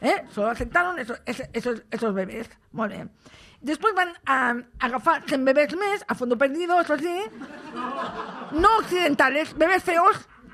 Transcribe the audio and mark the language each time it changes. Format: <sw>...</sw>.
<es>Solo aceptaron esos bebés.</es> <ca>Molt bé. Després van agafar 100 bebés més,</ca> <es>a fondo perdido, eso sí. No occidentales, bebés feos.</es>